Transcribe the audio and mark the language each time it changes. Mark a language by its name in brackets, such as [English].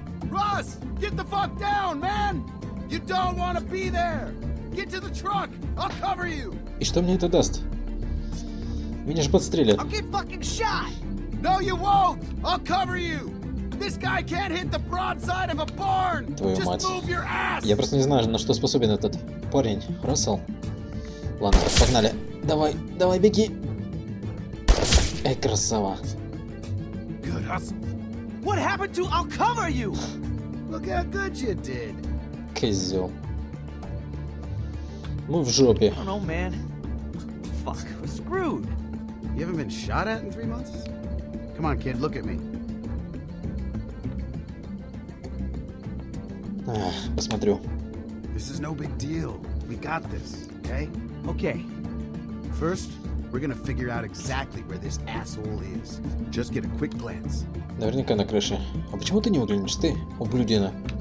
[English] Russ! Get the fuck down, man! You don't want to be there! Get to the truck! I'll cover you! [Russian] И что мне это даст? Меня ж подстрелят. [English] I'll get fucking shot! No, you won't! I'll cover you! This guy can't hit the broadside of a barn! [Russian] Твою [English] Just [Russian] мать. [English] Move your ass! [Russian] Я просто не знаю, на что способен этот парень, Рассел. Ладно, погнали. Давай, давай, беги! Эй, красава! [English] Good hustle! What happened to I'll cover you? Look how good you did! [Russian] Козел. Мы в жопе. [English] I don't know, man. Fuck, we're screwed. You haven't been shot at in 3 months? Come on, kid, look at me. [Russian] Посмотрю. [English] This is no big deal. We got this, okay? Okay. First, we're gonna figure out exactly where this asshole is. Just get a quick glance. [Russian] Наверняка на крыше. А почему ты не выглянешь, ты, ублюдина?